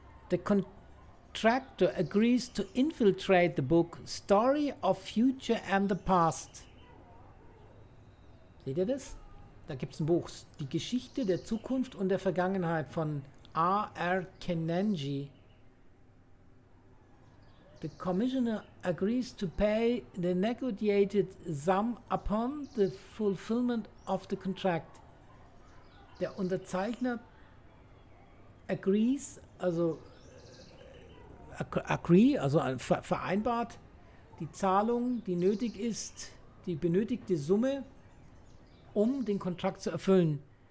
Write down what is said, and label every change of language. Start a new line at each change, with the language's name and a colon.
English: The Contractor agrees to infiltrate the book. Story of Future and the Past.
German: Seht ihr das? Da gibt es ein Buch. Die Geschichte der Zukunft und der Vergangenheit von R.R. Kenanji.
English: The Commissioner agrees to pay the negotiated sum upon the fulfillment of the contract.
German: Der Unterzeichner agrees, also agree, also vereinbart die Zahlung, die nötig ist, die benötigte Summe, um den Kontrakt zu erfüllen.